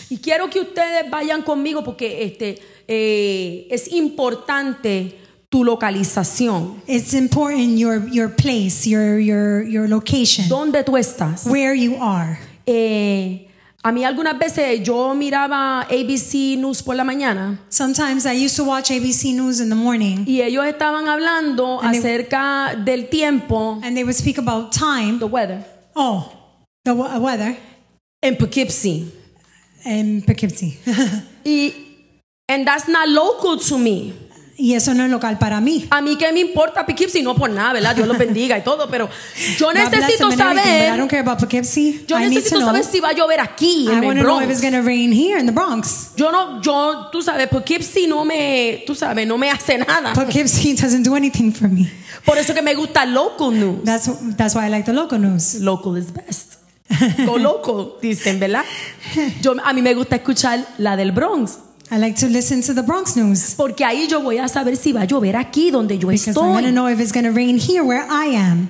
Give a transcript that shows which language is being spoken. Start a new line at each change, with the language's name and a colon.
Spanish: Y quiero que ustedes vayan conmigo porque es importante tu localización.
English: It's important your place, your location.
Spanish: ¿Dónde tú estás?
English: Where you are.
Spanish: A mí algunas veces yo miraba ABC News por la mañana.
English: Sometimes I used to watch ABC News in the morning.
Spanish: Y ellos estaban hablando acerca del tiempo.
English: And they would speak about time. The weather. Oh, the weather.
Spanish: En Poughkeepsie.
English: In Poughkeepsie. And that's not local to me.
Spanish: Y eso no es local para mí. A mí qué me importa Poughkeepsie, no por nada, ¿verdad? Dios lo bendiga y todo, pero yo necesito saber.
English: I don't care about Poughkeepsie.
Spanish: Yo necesito saber si va a llover aquí en el Bronx.
English: I want to know if it's going to rain here in the Bronx.
Spanish: Yo tú sabes, Poughkeepsie no me hace nada.
English: Poughkeepsie doesn't do anything for me.
Spanish: Por eso que me gusta
English: local news. That's why I like the local news. Local is best. Go local,
Spanish: dicen, ¿verdad? Yo a mí me gusta escuchar la del Bronx.
English: I like to listen to the Bronx news.
Spanish: Porque ahí yo voy a saber si va a llover aquí donde yo
English: because
Spanish: estoy.
English: I'm going to know if it's going to rain here where I am.